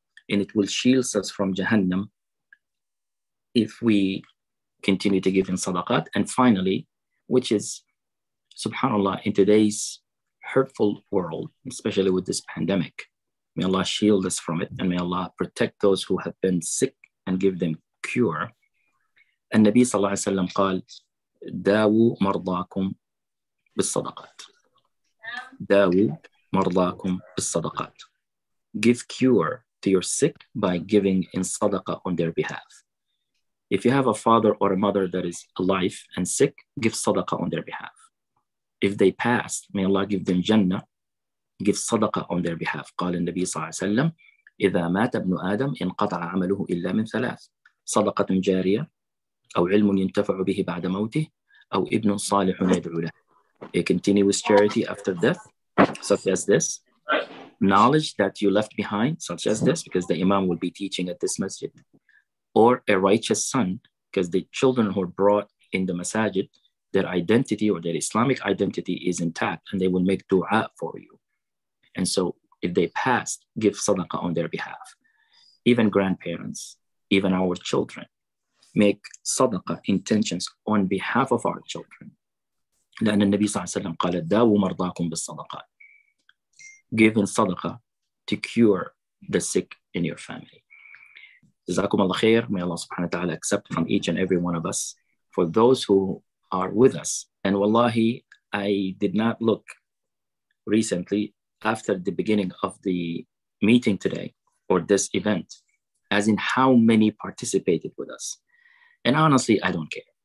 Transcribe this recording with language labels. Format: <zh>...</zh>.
<en>And it will shield us from Jahannam if we continue to give in sadaqat. And finally, which is, subhanAllah, in today's hurtful world, especially with this pandemic, may Allah shield us from it, and may Allah protect those who have been sick and give them cure.</en> <ar>And Nabi صلى الله عليه وسلم قال, دَاوُوا مَرْضَاكُمْ بِالصَّدَقَاتِ. دَاوُوا مَرْضَاكُمْ بِالصَّدَقَاتِ.</ar> <en>Give cure to your sick by giving in sadaqah on their behalf. If you have a father or a mother that is alive and sick, give sadaqah on their behalf. If they pass, may Allah give them Jannah, give sadaqah on their behalf.</en> <ar>قال النبي صلى الله عليه وسلم, إذا مات ابن آدم انقطع عمله إلا من ثلاث. صدقة جارية, أو علم ينتفع به بعد موته, أو ابن صالح يدعو له.</ar> <en>You continue with charity after death, such as this. Knowledge that you left behind, such as this, because the imam will be teaching at this masjid. Or a righteous son, because the children who are brought in the masajid, their identity or their Islamic identity is intact, and they will make dua for you. And so if they passed, give sadaqah on their behalf. Even grandparents, even our children, make sadaqah intentions on behalf of our children.</en> <ar>لأن النبي صلى الله عليه وسلم قال داووا مرضاكم بالصدقات.</ar> <en>Giving sadaqah to cure the sick in your family.</en> <ar>جزاكم الله خير.</ar> <en>May Allah subhanahu wa ta'ala accept from each and every one of us. For those who are with us. And wallahi, I did not look recently after the beginning of the meeting today or this event, as in how many participated with us. And honestly, I don't care.</en>